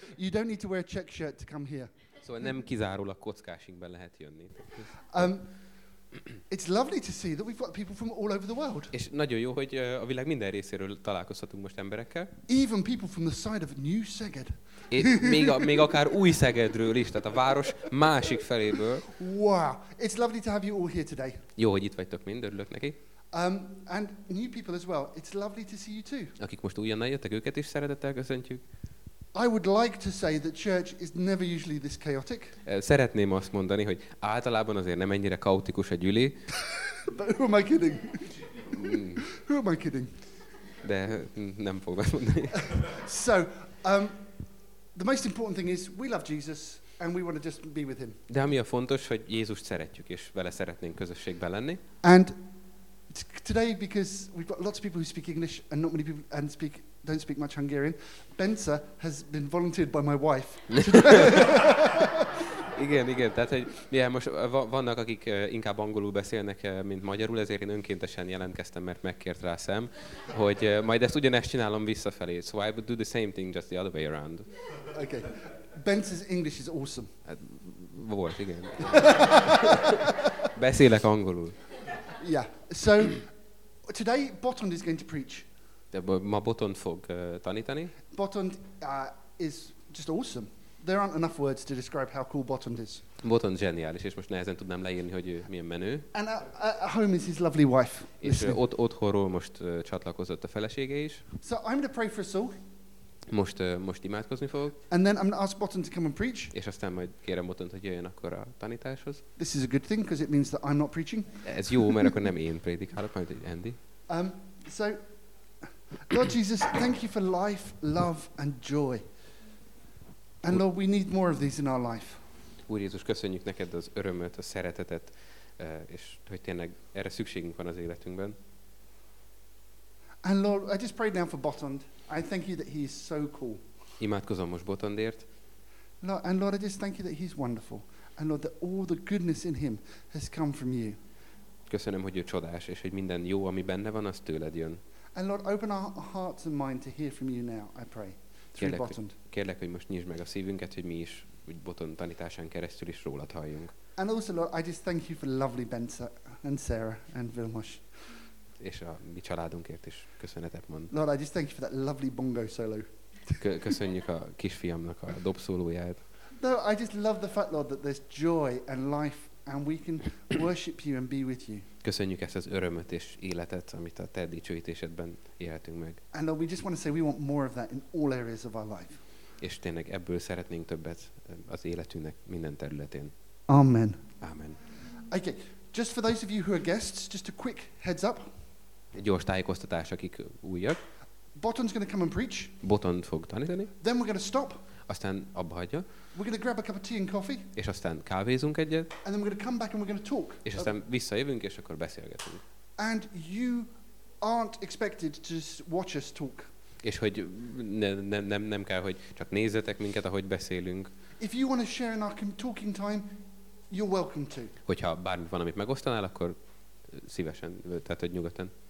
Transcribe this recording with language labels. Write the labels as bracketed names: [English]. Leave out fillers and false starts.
[English] You don't need to wear a Czech shirt to come here. [Hungarian] So, nem kizárólag kockásinkben lehet jönni. [English] It's lovely to see that we've got people from all over the world. [Hungarian] És nagyon jó, hogy a világ minden részéről találkozhatunk most emberekkel. [English] Even people from the side of New Szeged. [Hungarian] Még akár Új-Szegedről is, tehát a város másik feléből. [English] Wow, it's lovely to have you all here today. [Hungarian] Jó, hogy itt vagytok mind, örülök neki. [English] And new people as well. It's lovely to see you too. [Hungarian] Akik most újonnan jöttek, őket is szeretettel köszöntjük. [English] I would like to say that church is never usually this chaotic. [Hungarian] Szeretném azt mondani, hogy általában azért nem ennyire kaotikus a gyüli. [English] But who am I kidding? Who am I kidding? [Hungarian] De nem fogom azt mondani. [English] So, the most important thing is we love Jesus and we want to just be with him. [Hungarian] De ami a fontos, hogy Jézust szeretjük és vele szeretnénk közösségben lenni. [English] And today, because we've got lots of people who speak English and not many people and speak don't speak much Hungarian, Bence has been volunteered by my wife. [Hungarian] Igen, tehát hogy ja, most vannak, akik inkább angolul beszélnek, mint magyarul, ezért én önkéntesen jelentkeztem, mert megkért rá Sam, hogy majd ezt ugyanezt csinálom visszafelé. [English] So I would do the same thing, just the other way around. Okay. Bence's English is awesome. Hát, [Hungarian] volt, igen. Beszélek angolul. [English] Yeah. So today Botond is going to preach. [Hungarian] Ma Botond fog tanítani. [English] Botond is just awesome. There aren't enough words to describe how cool Botond is. [Hungarian] Botond zseniális, és most nehezen tudnám leírni, hogy ő milyen menő. [English] And home is his lovely wife. [Hungarian] És otthonról most csatlakozott a felesége is. [English] So I'm going to pray for us all. [Hungarian] Most imádkozni fogok. [English] And then I'm going to ask Botond to come and preach. [Hungarian] És aztán majd kérem Botond, hogy jöjjön akkor a tanításhoz. [English] This is a good thing because it means that I'm not preaching. [Hungarian] Ez jó, mert akkor nem én prédikálok, majd Andy. [English] So Lord Jesus, thank you for life, love and joy. And Lord, we need more of these in our life. [Hungarian] Úr Jézus, köszönjük neked az örömöt, a szeretetet, és hogy tényleg erre szükségünk van az életünkben. [English] And Lord, I just prayed now for Botond. I thank you that he is so cool. [Hungarian] Imádkozom most Botondért. [English] And Lord, I just thank you that he's wonderful. And Lord, that all the goodness in him has come from you. [Hungarian] Köszönöm, hogy ő csodás, és hogy minden jó, ami benne van, az tőled jön. [English] And Lord, open our hearts and mind to hear from you now, I pray, through Botond. [Hungarian] Kérlek, hogy most nyisd meg a szívünket, hogy mi is hogy Botond tanításán keresztül is rólad halljunk. [English] And also, Lord, I just thank you for lovely Bence and Sarah and Vilmos. [Hungarian] És a mi családunkért is köszönetet mond. [English] Lord, I just thank you for that lovely bongo solo. [Hungarian] Köszönjük a kisfiamnak a dobszólóját. [English] No, I just love the fact, Lord, that there's joy and life and we can worship you and be with you. [Hungarian] Köszönjük ezt az örömöt és életet, amit a te dicsőítésedben élhetünk meg. [English] And Lord, we just want to say we want more of that in all areas of our life. [Hungarian] És tényleg ebből szeretnénk többet az életünknek minden területén. [English] Amen. Amen. Okay, just for those of you who are guests, just a quick heads up. [Hungarian] Gyors tájékoztatás, akik újak. [English] Botond's going to come and preach. [Hungarian] Botond fog tanítani. [English] Then we're going to stop. [Hungarian] Aztán abbahagyja. [English] We're going to grab a cup of tea and coffee. [Hungarian] És aztán kávézunk egyet. [English] And then we're going to come back and we're going to talk. [Hungarian] És aztán visszajövünk és akkor beszélgetünk. [English] And you aren't expected to just watch us talk. [Hungarian] És hogy nem kell, hogy csak nézzetek minket, ahogy beszélünk. [English] If you want to share in our talking time, you're welcome to. [Hungarian] Hogyha bármit van, amit megosztanál, akkor szívesen, tehát hogy nyugodtan.